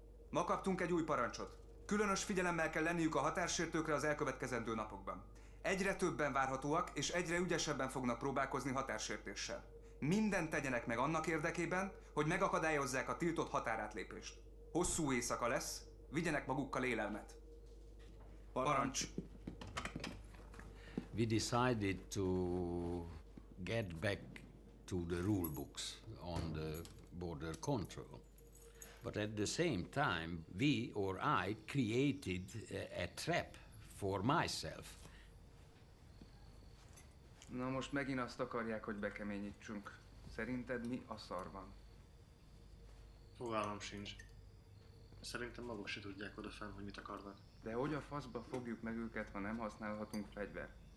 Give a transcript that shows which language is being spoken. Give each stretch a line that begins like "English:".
Hungarian: Ma kaptunk egy új parancsot. Különös figyelemmel kell lenniük a határsértőkre az elkövetkezendő napokban. Egyre többen várhatóak, és egyre ügyesebben fognak próbálkozni határsértéssel. Mindent tegyenek meg annak érdekében, hogy megakadályozzák a tiltott határátlépést. Hosszú éjszaka lesz, vigyenek magukkal élelmet. Parancs!
English: We decided to get back to the rule books on the border control. But at the same time, we or I created a trap for myself.
Hungarian: Na most megint azt akarják, hogy bekeményítsünk. Szerinted mi a szar van? Fogalmam sincs. Szerintem maguk se tudják odafenn, hogy mit akarnak. De hogy a faszba fogjuk meg őket, ha nem használhatunk fegyvert?